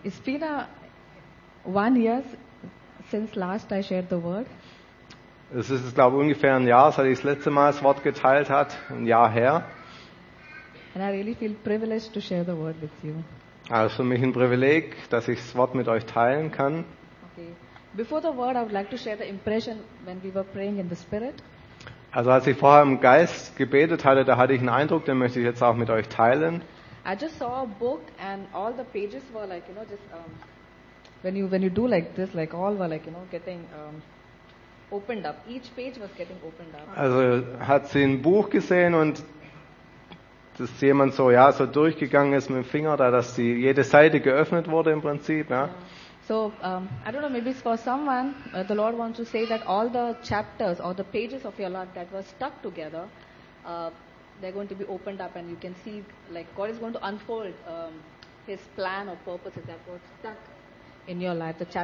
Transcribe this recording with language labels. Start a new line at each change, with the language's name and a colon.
English: It's been one year since last I shared the word.
German: Es ist, glaube ich, ungefähr ein Jahr, seit ich das letzte Mal das Wort geteilt hat, ein Jahr her.
English: And I really feel privileged to share the word with you.
German: Also für mich ein Privileg, dass ich das Wort mit euch teilen kann.
English: Okay. Before the word, I would like to share the impression when we were praying in the spirit.
German: Also als ich vorher im Geist gebetet hatte, da hatte ich einen Eindruck, den möchte ich jetzt auch mit euch teilen.
English: I just saw a book and all the pages were like, you know, just when you do like this, like all were like, you know, getting opened up. Each page was getting opened up.
German: Also hat sie ein Buch gesehen und dass jemand so, ja, so durchgegangen ist mit dem Finger, da dass die jede Seite geöffnet wurde im Prinzip, ja.
English: So, I don't know, maybe it's for someone, the Lord wants to say that all the chapters or the pages of your life that were stuck together, they're going to be opened up and you can see, like, God is going to unfold His plan or purposes that were stuck in your life.